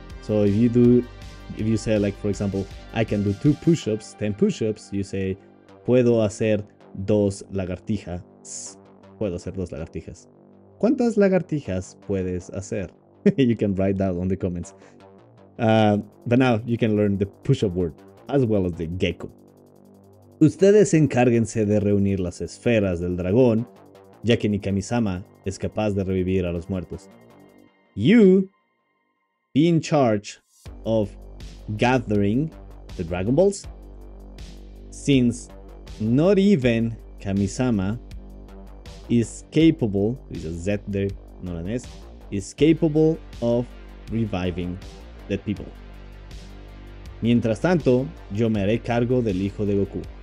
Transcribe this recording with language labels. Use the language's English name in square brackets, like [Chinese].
[English] So if you say like, for example, I can do 10 push-ups, you say, [Spanish] puedo hacer dos lagartijas. Puedo hacer dos lagartijas. ¿Cuántas lagartijas puedes hacer? [English] You can write that on the comments. But now you can learn the push-up word as well as the gecko. [Spanish] Ustedes encárguense de reunir las esferas del dragón, ya que ni Kami-sama es capaz de revivir a los muertos. [English] You be in charge of gathering the Dragon Balls, since not even Kami-sama is capable, with a Z there, not an S, is capable of reviving dead people. [Spanish] Mientras tanto, yo me haré cargo del hijo de Goku.